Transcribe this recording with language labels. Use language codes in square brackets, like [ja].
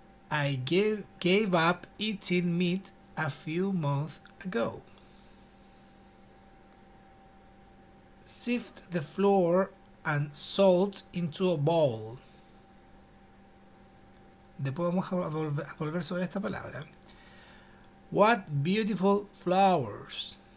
[en] I gave up eating meat a few months ago. Sift the flour and salt into a bowl. [es] Después vamos a volver sobre esta palabra. [en] What beautiful flowers.